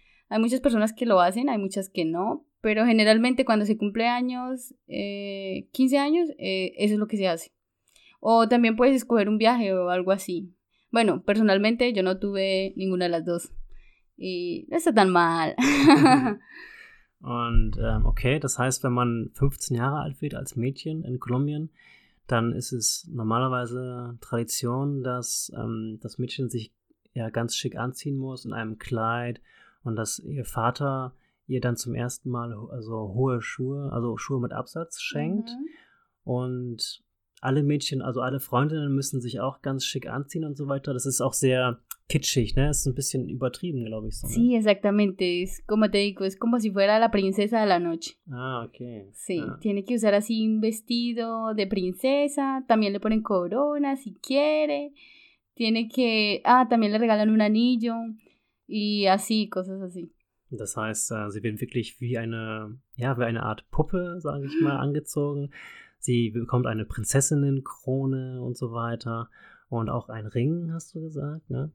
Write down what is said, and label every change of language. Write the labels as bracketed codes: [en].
[es] Hay muchas personas que lo hacen, hay muchas que no, pero generalmente cuando se cumple años, 15 años, eso es lo que se hace. O también puedes escoger un viaje o algo así. Bueno, personalmente yo no tuve ninguna de las dos y no está tan mal. [de] Und okay, das heißt, wenn man 15 Jahre alt wird als Mädchen in Kolumbien, dann ist es normalerweise Tradition, dass das Mädchen sich ja ganz schick anziehen muss in einem Kleid und dass ihr Vater ihr dann zum ersten Mal also hohe Schuhe, also Schuhe mit Absatz schenkt. Mhm. Und alle Mädchen, also alle Freundinnen müssen sich auch ganz schick anziehen und so weiter. Das ist auch sehr kitschig, ne? Das ist ein bisschen übertrieben, glaube ich. So, ne? [es] Sí, exactamente. Es como te digo, es como si fuera la princesa de la noche. Ah, okay. Sí, ah. Tiene que usar así un vestido de princesa. También le ponen corona, si quiere. Tiene que... Ah, también le regalan un anillo. Y así, cosas así. [de] Das heißt, sie wird wirklich wie eine Art Puppe, sage ich mal, angezogen. Sie bekommt eine Prinzessinnenkrone und so weiter. Und auch ein Ring, hast du gesagt, ne?